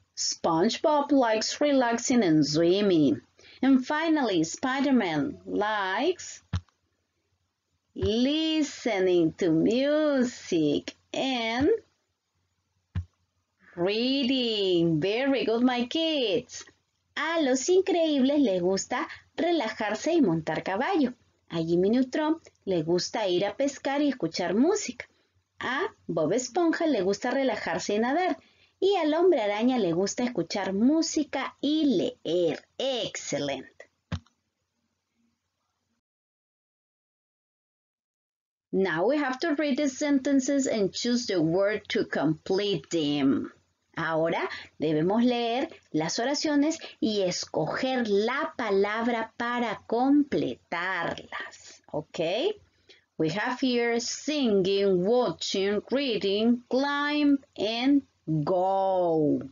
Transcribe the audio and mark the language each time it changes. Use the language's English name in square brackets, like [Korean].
[English] SpongeBob likes relaxing and swimming. And finally, Spider-Man likes listening to music and reading. Very good, my kids. [Spanish] A los increíbles les gusta relajarse y montar caballo. A Jimmy Neutron le gusta ir a pescar y escuchar música. A Bob Esponja le gusta relajarse y nadar. Y al Hombre Araña le gusta escuchar música y leer. [English] Excellent. Now we have to read the sentences and choose the word to complete them. [Spanish] Ahora debemos leer las oraciones y escoger la palabra para completarlas. ¿Ok? [English] We have here singing, watching, reading, climb, and go.